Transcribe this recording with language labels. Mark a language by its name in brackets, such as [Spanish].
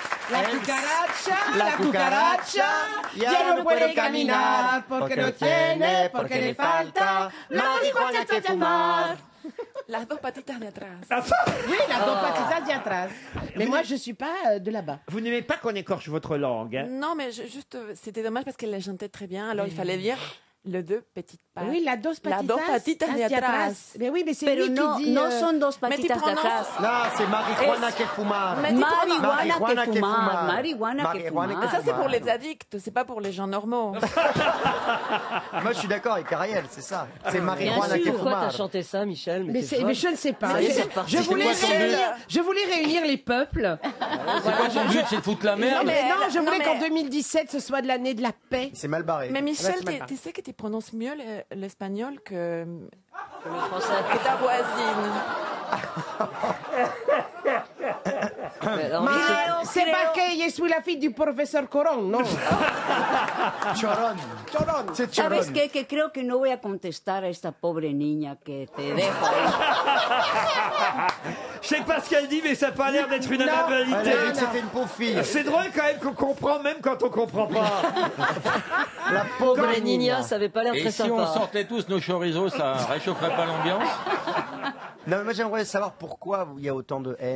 [Spanish] La cucaracha, ya no puede caminar, porque lo tiene, porque le falta, marihuana que fumar. Las dos patitas de atrás. [French] Oui, [Spanish] las dos patitas de atrás. [French] Mais vous moi, je ne suis pas de là-bas. Vous n'aimez pas qu'on écorche votre langue, hein? Non, mais juste, c'était dommage parce qu'elle la chantait très bien, alors il fallait dire... Le deux petites pattes. Oui, [Spanish] la dos patitas. La dos patitas de atrás. [French] Mais oui, mais c'est lui non, qui dit... Non, [Spanish] son dos patitas de atrás. [French] Non, c'est [Spanish] marihuana que fumar. Marihuana que fumar. Marihuana que fumar. [French] Ça, c'est pour les addicts, c'est pas pour les gens normaux. Moi, je suis d'accord avec Ariel, c'est ça. C'est [Spanish] marihuana que fumar. [French] Bien sûr, pourquoi t'as chanté ça, Michel? Mais je ne sais pas. Je voulais réunir les peuples. C'est pas son but, c'est de foutre la merde. Non, je voulais qu'en 2017, ce soit de l'année de la paix. C'est mal barré. Mais Michel, tu sais que tu prononces mieux l'espagnol que le français, que ta voisine. Mais c'est pas que je suis la fille du professeur Coron, non. Choron. C'est Choron. [Spanish] ¿Sabes qué? Que creo que no voy a contestar a esta pobre niña que te dejo. [French] Je sais pas ce qu'elle dit, mais ça n'a pas l'air d'être une amabilité. Elle a dit que c'était une pauvre fille. C'est drôle quand même qu'on comprend même quand on comprend pas. La pauvre Nina, ça n'avait pas l'air et très si sympa. Et si on sortait tous nos chorizos, ça réchaufferait pas l'ambiance. Non, mais moi j'aimerais savoir pourquoi il y a autant de haine.